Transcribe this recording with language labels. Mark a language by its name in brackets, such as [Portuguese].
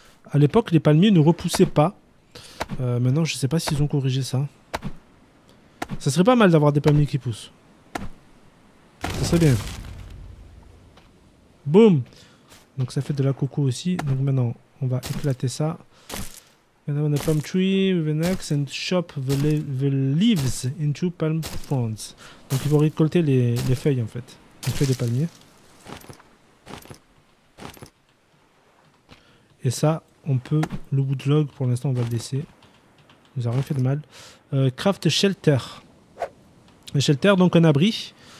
[French] À l'époque, les palmiers ne repoussaient pas. Maintenant, je sais pas s'ils ont corrigé ça. Ça serait pas mal d'avoir des palmiers qui poussent. Ça serait bien. Boum! Donc ça fait de la coco aussi. Donc maintenant, on va éclater ça. Maintenant, on a [English] palm tree with an axe and chop the leaves into palm fronds. [French] Donc il faut récolter les feuilles en fait. Les feuilles des palmiers. Et ça, on peut. Le woodlog, pour l'instant, on va le laisser. Il nous a rien fait de mal. [English] Craft shelter. [French] Un shelter, donc un abri.